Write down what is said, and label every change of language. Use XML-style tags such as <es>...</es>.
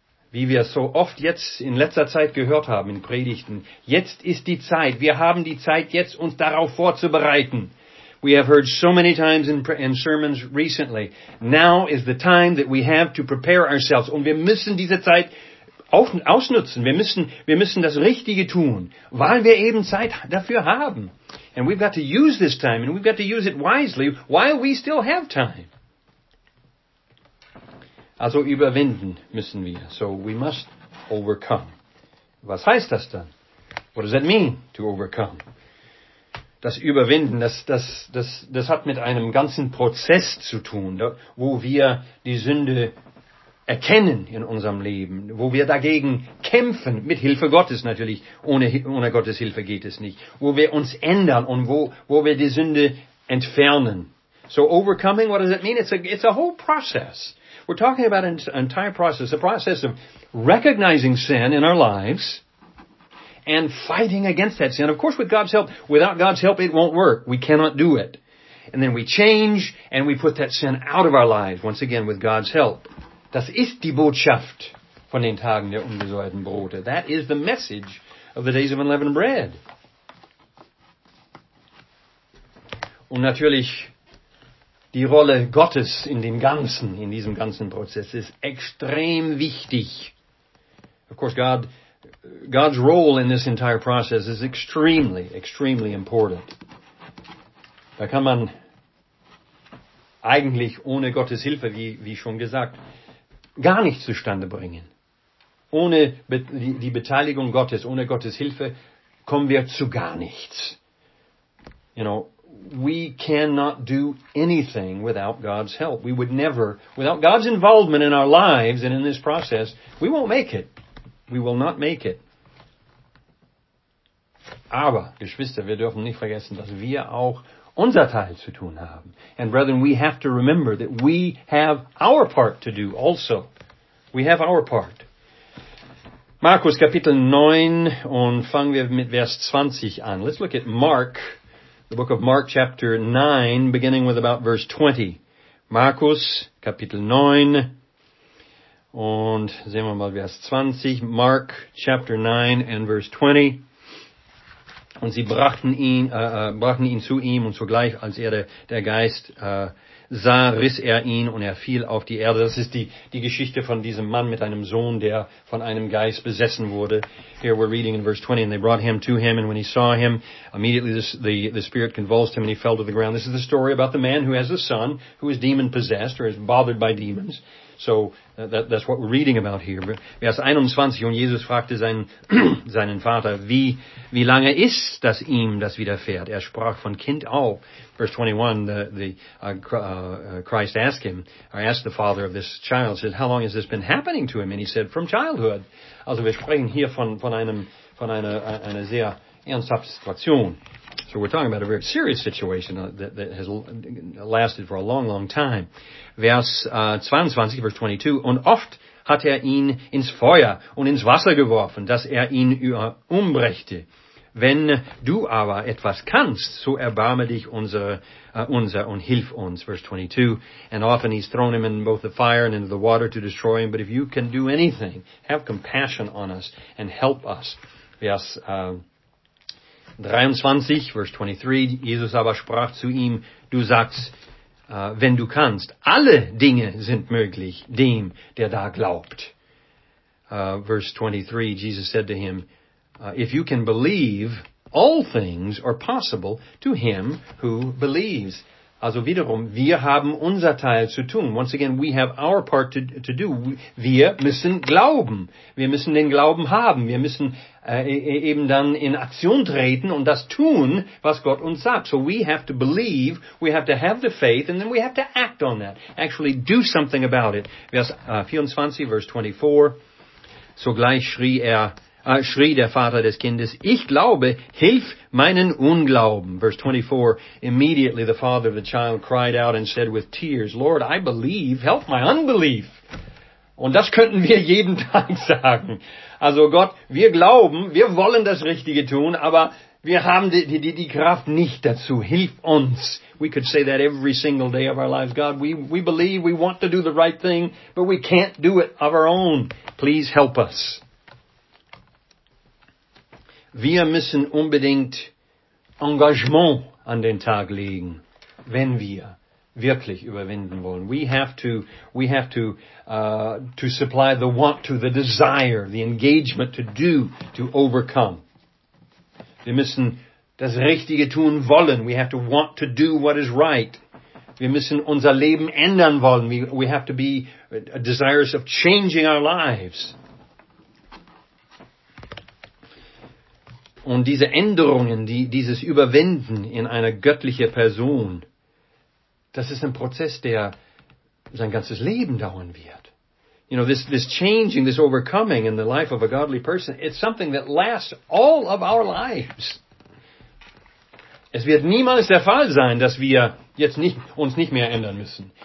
<de>Wie wir so oft jetzt in letzter Zeit gehört haben in Predigten. Jetzt ist die Zeit. Wir haben die Zeit jetzt, uns darauf vorzubereiten.</de> <en>We have heard so many times in sermons recently. Now is the time that we have to prepare ourselves.</en> <de>Und wir müssen diese Zeit ausnutzen. Wir müssen das Richtige tun, weil wir eben Zeit dafür haben.</de> <en>And we've got to use this time, and we've got to use it wisely, while we still have time.</en> <de>Also überwinden müssen wir.</de> <en>So we must overcome.</en> <de>Was heißt das dann?</de> <en>What does that mean, to overcome?</en> <de>Das Überwinden, das hat mit einem ganzen Prozess zu tun, wo wir die Sünde erkennen in unserem Leben, wo wir dagegen kämpfen, mit Hilfe Gottes natürlich, ohne Gottes Hilfe geht es nicht, wo wir uns ändern und wo wir die Sünde entfernen.</de> <en>So overcoming, what does it mean? It's a whole process. We're talking about an entire process, a process of recognizing sin in our lives and fighting against that sin. Of course, with God's help, without God's help, it won't work. We cannot do it. And then we change and we put that sin out of our lives, once again, with God's help.</en> <de>Das ist die Botschaft von den Tagen der ungesäuerten Brote.</de> <en>That is the message of the days of unleavened bread.</en> <de>Und natürlich, die Rolle Gottes in dem Ganzen, in diesem ganzen Prozess, ist extrem wichtig.</de> <en>Of course, God's role in this entire process is extremely, extremely important.</en> <de>Da kann man eigentlich ohne Gottes Hilfe, wie schon gesagt, gar nichts zustande bringen. Ohne die Beteiligung Gottes, ohne Gottes Hilfe, kommen wir zu gar nichts.</de> <en>You know, we cannot do anything without God's help. We would never, without God's involvement in our lives and in this process, we won't make it. We will not make it.</en> <de>Aber, Geschwister, wir dürfen nicht vergessen, dass wir auch unser Teil zu tun haben.</de> <en>And brethren, we have to remember that we have our part to do also. We have our part.</en> <de>Markus Kapitel 9 und fangen wir mit Vers 20 an.</de> <en>Let's look at Mark, the book of Mark chapter 9, beginning with about verse 20.</en> <de>Markus Kapitel 9 und sehen wir mal Vers 20.</de> <en>Mark chapter 9 and verse 20.</en> <de>Und sie brachten ihn zu ihm, und sogleich, als er der Geist sah, riss er ihn, und er fiel auf die Erde. Das ist die Geschichte von diesem Mann mit einem Sohn, der von einem Geist besessen wurde.</de> <en>Here we're reading in verse 20, and they brought him to him, and when he saw him, immediately the spirit convulsed him, and he fell to the ground. This is the story about the man who has a son, who is demon-possessed, or is bothered by demons. So that's what we're reading about here.</en> <de>Vers 21, und Jesus fragte seinen Vater, wie lange ist das ihm, das widerfährt? Er sprach von Kind auf.</de> <en>Verse 21, Christ asked the father of this child, said, how long has this been happening to him? And he said, from childhood.</en> <de>Also wir sprechen hier von einer sehr ernsthaften Situation.</de> <en>So we're talking about a very serious situation that has lasted for a long, long time.</en> <de>Verse 22, und oft hat er ihn ins Feuer und ins Wasser geworfen, dass er ihn umbrächte. Wenn du aber etwas kannst, so erbarme dich unser und hilf uns.</de> <en>Verse 22, and often he's thrown him in both the fire and into the water to destroy him, but if you can do anything, have compassion on us and help us.</en> <de>Verse 23, Jesus aber sprach zu ihm, du sagst, wenn du kannst, alle Dinge sind möglich, dem, der da glaubt.</de> <en>Verse 23, Jesus said to him, if you can believe, all things are possible to him who believes.</en> <de>Also wiederum, wir haben unser Teil zu tun.</de> <en>Once again, we have our part to do.</en> <de>Wir müssen glauben. Wir müssen den Glauben haben. Wir müssen eben dann in Aktion treten und das tun, was Gott uns sagt.</de> <en>So we have to believe, we have to have the faith, and then we have to act on that. Actually do something about it. Verse 24.</en> <de>Sogleich schrie der Vater des Kindes, ich glaube, hilf meinen Unglauben.</de> <en>Verse 24, immediately the father of the child cried out and said with tears, Lord, I believe, help my unbelief.</en> <de>Und das könnten wir jeden Tag sagen. Also Gott, wir glauben, wir wollen das Richtige tun, aber wir haben die Kraft nicht dazu. Hilf uns.</de> <en>We could say that every single day of our lives. God, we believe, we want to do the right thing, but we can't do it of our own. Please help us.</en> <de>Wir müssen unbedingt Engagement an den Tag legen, wenn wir wirklich überwinden wollen.</de> <en>We have to supply the want to, the desire, the engagement to do, to overcome.</en> <de>Wir müssen das Richtige tun wollen.</de> <en>We have to want to do what is right.</en> <de>Wir müssen unser Leben ändern wollen.</de> <en>We have to be desirous of changing our lives.</en> <de>Und diese Änderungen, dieses Überwinden in einer göttlichen Person, das ist ein Prozess, der sein ganzes Leben dauern wird.</de> <en>You know, this changing, this overcoming in the life of a godly person, it's something that lasts all of our lives.</en> <de>Es wird niemals der Fall sein, dass wir jetzt uns nicht mehr ändern müssen.</de>